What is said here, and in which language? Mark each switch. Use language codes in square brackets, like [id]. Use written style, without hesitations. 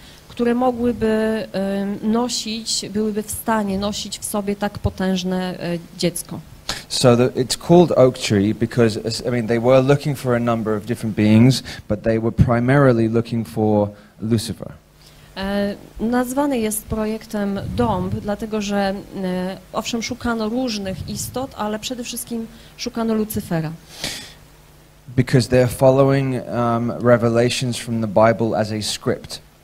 [pl] które mogłyby nosić, byłyby w stanie nosić w sobie tak potężne dziecko. [en] So it's called Oak Tree because, I mean, they were looking for a number of different beings, but they were primarily looking for Lucifer. [pl] Nazwany jest projektem Dąb, dlatego że owszem, szukano różnych istot, ale przede wszystkim szukano Lucyfera. [en] Because they're following revelations from the Bible as a script.